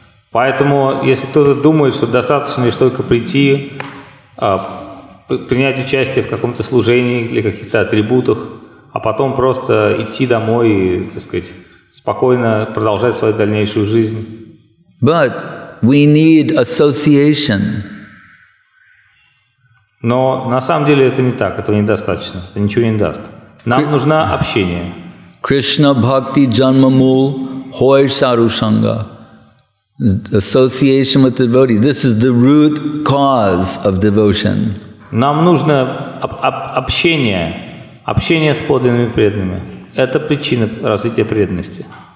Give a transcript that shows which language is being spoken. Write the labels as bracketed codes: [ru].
[ru] Поэтому, если кто-то думает, что достаточно лишь только прийти, принять участие в каком-то служении или каких-то атрибутах, а потом просто идти домой и, так сказать, спокойно продолжать свою дальнейшую жизнь. [en] But we need association. [ru] Но на самом деле это не так, этого недостаточно, это ничего не даст. Нам нужно общение. [bn] Krishna Bhakti Janma Mool Hoy Saru Sangha. [en] Association with devotees. This is the root cause of devotion. [ru] Нам нужно общение, общение с подлинными преданными. Это причина развития преданности.